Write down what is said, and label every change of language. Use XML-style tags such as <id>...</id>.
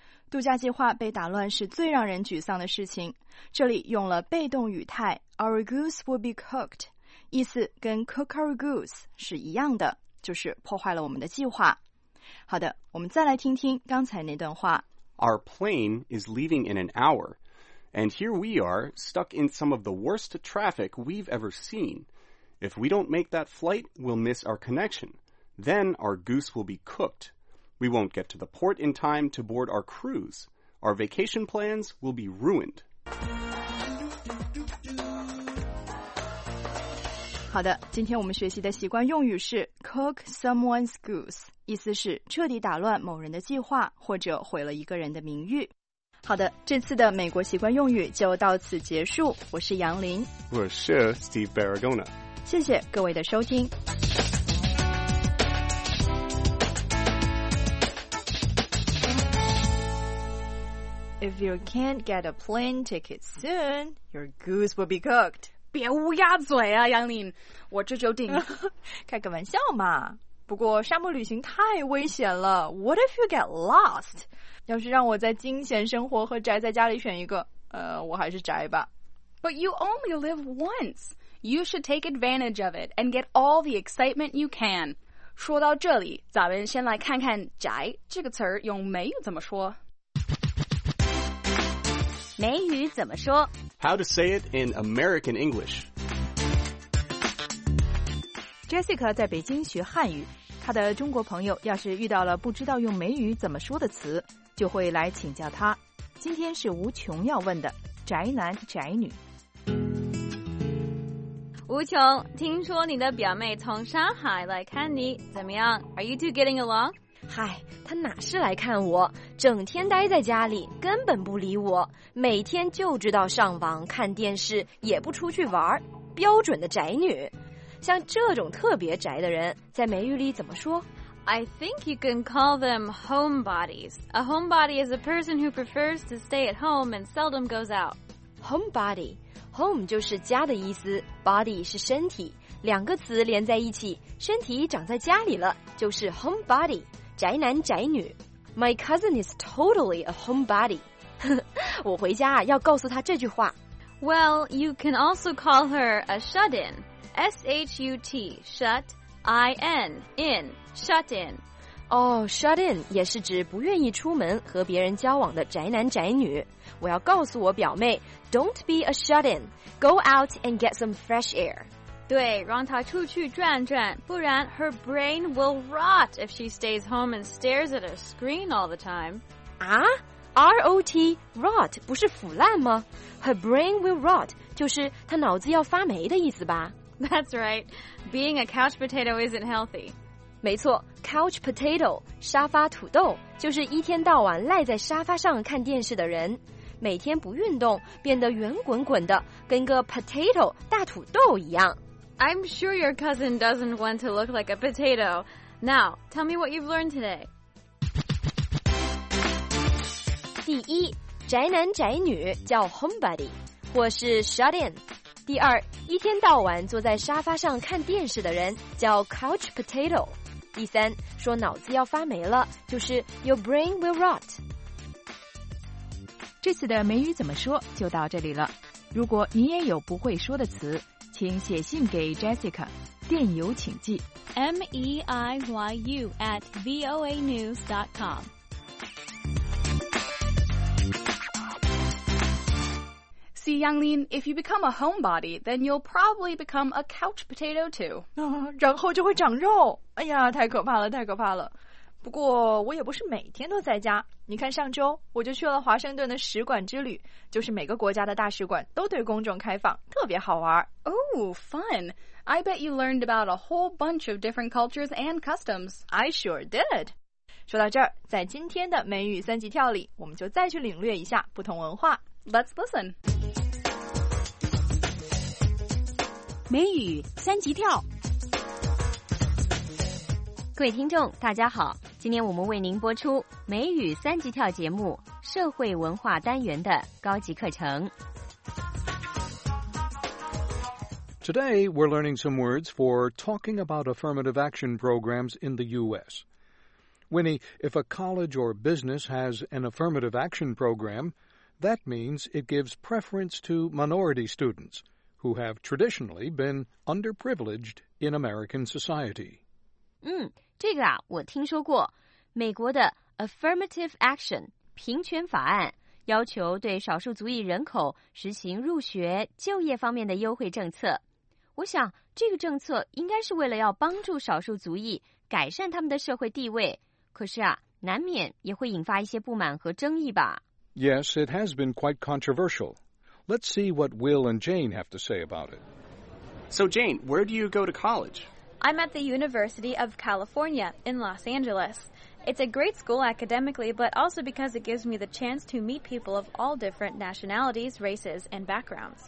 <zh>度假计划被打乱是最让人沮丧的事情。这里用了被动语态</zh> <en>Our goose will be cooked，</en> <zh>意思跟</zh> <en>cook our goose</en> <zh>是一样的，就是破坏了我们的计划。好的，我们再来听听刚才那段话。</zh> <en>Our plane is leaving in an hour, and here we are stuck in some of the worst traffic we've ever seen. If we don't make that flight, we'll miss our connection. Then our goose will be cookedWe won't get to the port in time to board our cruise. Our vacation plans will be ruined.</en> <zh>好的，今天我们学习的习惯用语是</zh> <en>cook someone's goose，</en> <zh>意思是彻底打乱某人的计划或者毁了一个人的名誉。好的，这次的美国习惯用语就到此结束。我是杨林，我是 Steve Barragona，谢谢各位的收听。</zh> <en>If you can't get a plane ticket soon, your goose will be cooked.</en> <zh>别乌鸦嘴啊，杨林，我这就订。开个玩笑嘛。不过沙漠旅行太危险了。</zh> <en>What if you get lost?</en> <zh>要是让我在惊险生活和宅在家里选一个，我还是宅吧。</zh> <en>But you only live once. You should take advantage of it and get all the excitement you can.</en> <zh>说到这里，咱们先来看看宅这个词用美语怎么说。美语怎么说？</zh> <en>How to say it in American English.</en> <zh>Jessica 在北京学汉语，她的中国朋友要是遇到了不知道用美语怎么说的词，就会来请教她。今天是吴琼要问的，宅男宅女。吴琼，听说你的表妹从上海来看你，怎么样？</zh> <en>Are you two getting along?</en> <zh>嗨，他哪是来看我，整天待在家里，根本不理我，每天就知道上网看电视，也不出去玩，标准的宅女。像这种特别宅的人，在美语里怎么说？</zh> <en>I think you can call them homebodies. A homebody is a person who prefers to stay at home and seldom goes out.</en> <zh>Homebody, home 就是家的意思， body 是身体，两个词连在一起，身体长在家里了，就是 homebody。宅男宅女</zh> <en>My cousin is totally a homebody.</en> <zh>我回家要告诉他这句话。</zh> <en>Well, you can also call her a shut-in. S-H-U-T, shut-I-N, in, shut-in.</en> <zh>Oh, shut-in 也是指不愿意出门和别人交往的宅男宅女。我要告诉我表妹</zh> <en>Don't be a shut-in. Go out and get some fresh air.</en> <zh>对，让她出去转转，不然</zh> <en>her brain will rot if she stays home and stares at her screen all the time.</en> <zh>啊 ？R-O-T, rot 不是腐烂吗 ？</zh> <en>Her brain will rot</en> <zh>就是她脑子要发霉的意思吧</zh> <en>？That's right. Being a couch potato isn't healthy.</en> <zh>没错 ，couch potato 沙发土豆就是一天到晚赖在沙发上看电视的人。每天不运动，变得圆滚滚的，跟个 potato 大土豆一样。</zh> <en>I'm sure your cousin doesn't want to look like a potato. Now, tell me what you've learned today.</en> <zh>第一，宅男宅女叫 homebody。或是 shut in。第二，一天到晚坐在沙发上看电视的人叫 couch potato。第三，说脑子要发霉了就是</zh> <en>your brain will rot。</en> <zh>这次的美语怎么说就到这里了。如果你也有不会说的词，请写信给 Jessica， 电邮请寄</zh> <en>meiyu at voanews.com。 See, Yanglin, if you become a homebody, then you'll probably become a couch potato too.</en> <zh>啊，然后就会长肉。哎呀，太可怕了，太可怕了。不过我也不是每天都在家。你看上周我就去了华盛顿的使馆之旅，就是每个国家的大使馆都对公众开放，特别好玩。</zh> <en>Oh, fun. I bet you learned about a whole bunch of different cultures and customs. I sure did.</en> <zh>说到这儿，在今天的美语三级跳里，我们就再去领略一下不同文化。</zh> <en>Let's listen.</en> <zh>美语三级跳。各位听众大家好，今天我们为您播出美语三级跳节目社会文化单元的高级课程。</zh> <en>Today we're learning some words for talking about affirmative action programs in the U.S. Winnie, if a college or business has an affirmative action program,That means it gives preference to minority students who have traditionally been underprivileged in American society.</en> <zh>嗯，这个啊，我听说过。美国的 Affirmative Action 平权法案要求对少数族裔人口实行入学、就业方面的优惠政策。我想，这个政策应该是为了要帮助少数族裔改善他们的社会地位。可是啊，难免也会引发一些不满和争议吧。</zh> <en>Yes, it has been quite controversial. Let's see what Will and Jane have to say about it. So, Jane, where do you go to college? I'm at the University of California in Los Angeles. It's a great school academically, but also because it gives me the chance to meet people of all different nationalities, races, and backgrounds.</en>